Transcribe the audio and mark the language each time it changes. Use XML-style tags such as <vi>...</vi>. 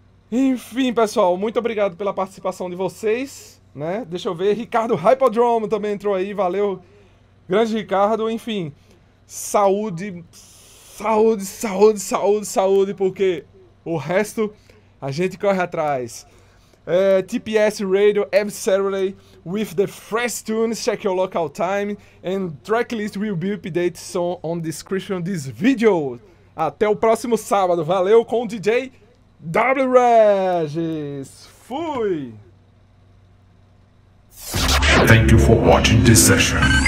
<pt>Enfim, pessoal, muito obrigado pela participação de vocês. Né? Deixa eu ver, Ricardo Hippodrome também entrou aí. Valeu, grande Ricardo. Enfim, saúde. Saúde, saúde, saúde, saúde, porque o resto a gente corre atrás.</pt> <en>TPS Radio, M Saturday, with the fresh tunes, check your local time, and tracklist will be updated soon on description of this video.</en> <pt>Até o próximo sábado, valeu, com o DJ W Regis. Fui!</pt> <en>Thank you for watching this session.</en>